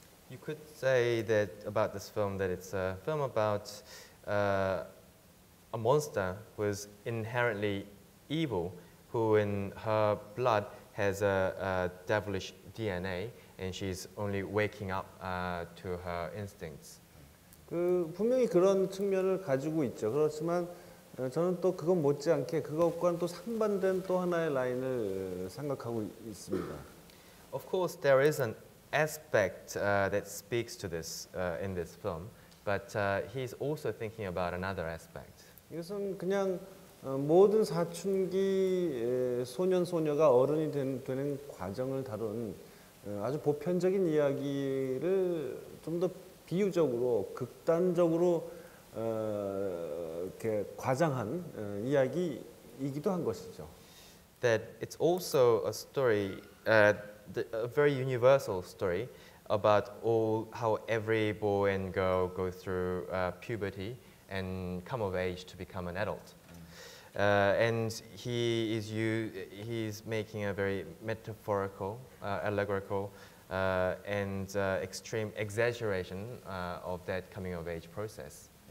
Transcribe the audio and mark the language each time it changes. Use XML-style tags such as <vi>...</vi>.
<en>You could say that about this film that it's a film about a monster who is inherently evil, who in her blood has a devilish DNA, and she's only waking up to her instincts.</en> <ko>그 분명히 그런 측면을 가지고 있죠. 그렇지만 저는 또 그건 못지않게 그것과는 또 상반된 또 하나의 라인을 생각하고 있습니다.</ko> <en>Of course, there is an aspect that speaks to this in this film, but he's also thinking about another aspect.</en> <ko>이것은 그냥 모든 사춘기 소년 소녀가 어른이 되는 과정을 다룬 아주 보편적인 이야기를 좀 더 비유적으로 극단적으로 이렇게 과장한 이야기이기도 한 것이죠.</ko> <en>That it's also a story. A very universal story about all how every boy and girl go through puberty and come of age to become an adult. And he's making a very metaphorical, allegorical, and extreme exaggeration of that coming of age process.</en>